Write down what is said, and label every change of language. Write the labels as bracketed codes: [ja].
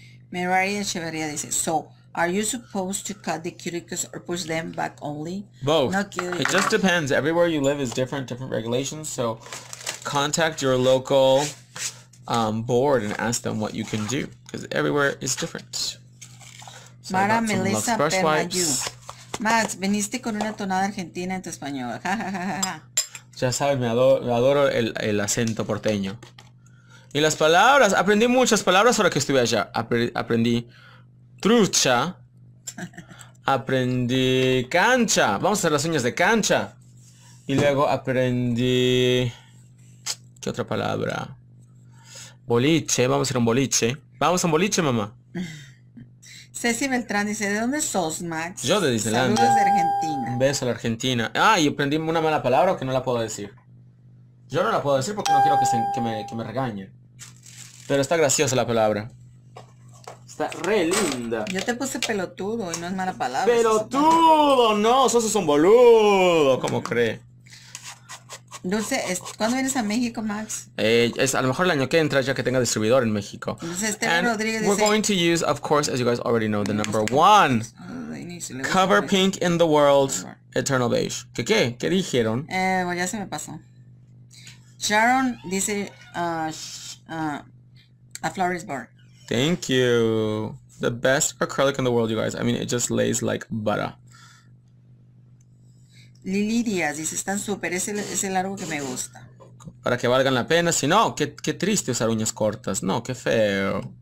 [en] Mary Echeverria dice, so are you supposed to cut the cuticles or push them back only? Both. Not cuticles. It just depends. Everywhere you live is different regulations. So contact your local board and ask them what you can do. Because everywhere is different. So Mara Melissa Permayu. [es] Max, veniste con una tonada argentina en tu español. Ya sabes, me adoro el acento porteño. Y las palabras, aprendí muchas palabras ahora que estuve allá. Aprendí trucha. Aprendí cancha. Vamos a hacer las uñas de cancha. Y luego aprendí... ¿Qué otra palabra? Boliche, vamos a hacer un boliche. Vamos a un boliche, mamá. Ceci Beltrán dice, ¿de dónde sos, Max? Yo de Disneyland. Saludos de Argentina. Un beso a la Argentina. Ah, y aprendí una mala palabra que no la puedo decir. Yo no la puedo decir porque no quiero que me regañen. Pero está graciosa la palabra. Está re linda. Yo te puse pelotudo y no es mala palabra. ¡Pelotudo! No, sos un boludo. ¿Cómo cree? Dulce, ¿cuándo vienes a México, Max? Es a lo mejor el año que entra ya que tenga distribuidor en México. Dulce, Esteban Rodríguez dice, [en] we're going to use, of course, as you guys already know, the number one. Cover pink in the world, eternal beige. [es] ¿Qué? ¿Qué dijeron? Bueno, ya se me pasó. Sharon dice, [en] a florist bar. Thank you. The best acrylic in the world, you guys. I mean, it just lays like butter. [es] Lili Díaz dice, están súper, es el largo que me gusta. Para que valgan la pena, si no, qué triste usar uñas cortas, no, qué feo.